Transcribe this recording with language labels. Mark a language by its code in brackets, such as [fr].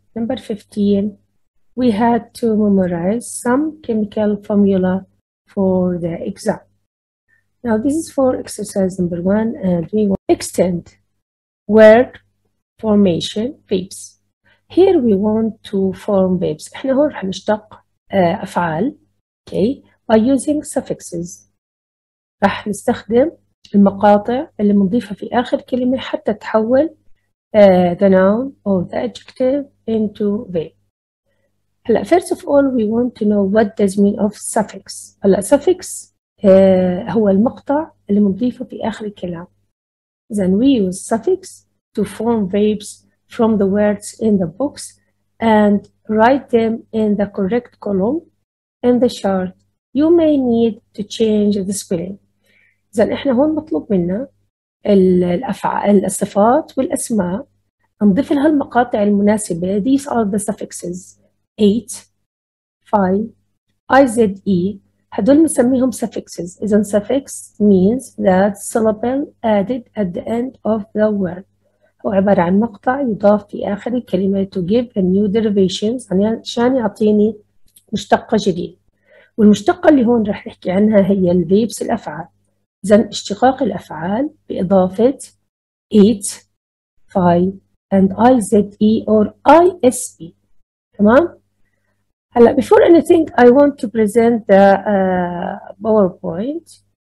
[en] Number 15, we had to memorize some chemical formula for the exam. Now this is for exercise number one, and we want to extend word formation verbs. Here we want to form verbs. [ar] احنا هون رح نشتق افعال, okay, [en] by using suffixes. [ar] رح نستخدم المقاطع اللي منضيفها في اخر كلمة حتى تحول [en] the noun or the adjective into verb. هلا first of all we want to know what does mean of suffix. [ar] هلا suffix هو المقطع اللي مضيفه في آخر الكلام. [en] Then we use suffix to form verbs from the words in the books and write them in the correct column in the chart. You may need to change the spelling. [ar] Then احنا هون مطلوب منا الأفعال الصفات والأسماء نضيف لها المقاطع المناسبة. [en] These are the suffixes. 8, 5, IZE. [ar] هدول نسميهم suffixes. [en] إذن suffix means that syllable added at the end of the word. [ar] هو عبارة عن مقطع يضاف في آخر الكلمة [en] to give a new derivation, [ar] يعني عشان يعطيني مشتقة جديدة. والمشتقة اللي هون رح نحكي عنها هي الـ verbs الأفعال. إذن اشتقاق الأفعال بإضافة eat, five, and IZE or ISB. [en] تمام؟ هلا before anything I want to present the PowerPoint.